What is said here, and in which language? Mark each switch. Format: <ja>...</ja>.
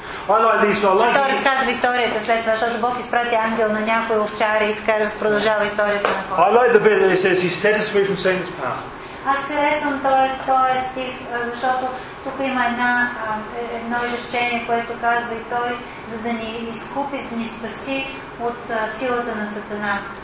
<bg>Той разказва историята след това, защото Бог изпрати ангел на някой овчар и така разпродължава историята на хората.</bg> <en>I like the bit that it says, he set us free from Satan's power.</en> <bg>Аз харесвам този стих, защото тук има едно изречение, което казва и той, за да ни изкупи, за да ни спаси от силата на Сатана.</bg>